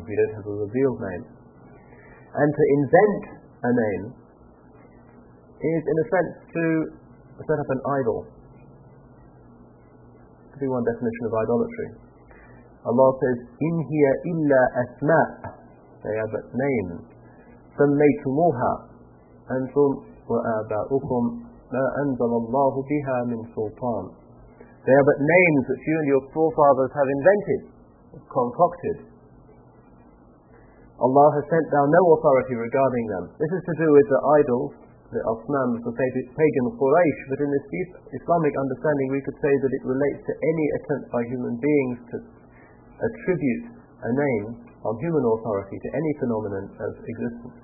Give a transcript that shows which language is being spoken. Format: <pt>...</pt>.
<en>We don't have a revealed name. And to invent a name is, in a sense, to set up an idol. One definition of idolatry. Allah says,</en> <ar>In hiya illa asma',</ar> <en>they are but names.</en> <ar>سميتموها أنتم وآباؤكم ما أنزل الله بها من سلطان.</ar> <en>They are but names that you and your forefathers have invented, concocted. Allah has sent down no authority regarding them. This is to do with the idols, the asnams, the pagan Quraysh, but in this Islamic understanding we could say that it relates to any attempt by human beings to attribute a name of human authority to any phenomenon of existence.</en>